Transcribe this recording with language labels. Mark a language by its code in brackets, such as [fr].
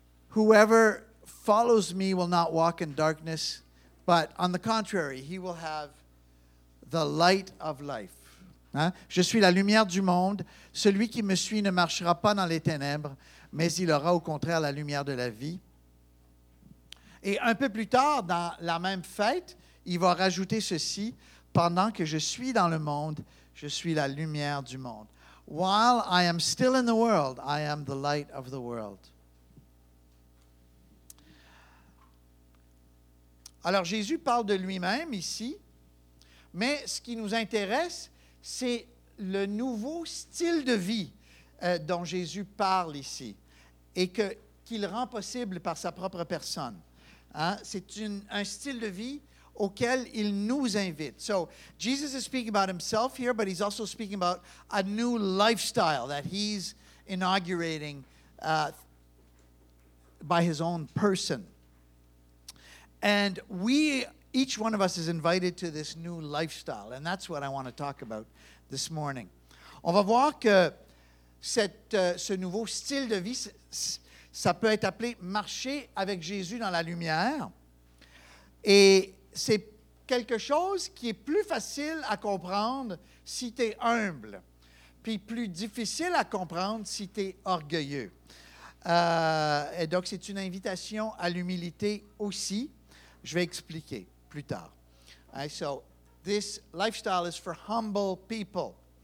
[en] Whoever follows me will not walk in darkness, but on the contrary, he will have the light of life. [fr] Hein? » Je suis la lumière du monde. Celui qui me suit ne marchera pas dans les ténèbres, mais il aura au contraire la lumière de la vie. Et un peu plus tard, dans la même fête, il va rajouter ceci, « Pendant que je suis dans le monde, je suis la lumière du monde. [en] While I am still in the world, I am the light of the world. [fr] » Alors, Jésus parle de lui-même ici, mais ce qui nous intéresse, c'est le nouveau style de vie dont Jésus parle ici et qu'il rend possible par sa propre personne. Hein? C'est un style de vie auquel il nous invite. [en] So, Jesus is speaking about himself here, but he's also speaking about a new lifestyle that he's inaugurating by his own person. And we, each one of us is invited to this new lifestyle, and that's what I want to talk about this morning. [fr] On va voir que ce nouveau style de vie, ça peut être appelé marcher avec Jésus dans la lumière. Et c'est quelque chose qui est plus facile à comprendre si tu es humble, puis plus difficile à comprendre si tu es orgueilleux. Et donc, c'est une invitation à l'humilité aussi. Je vais expliquer plus tard. [en] All right, so, this lifestyle is for humble people.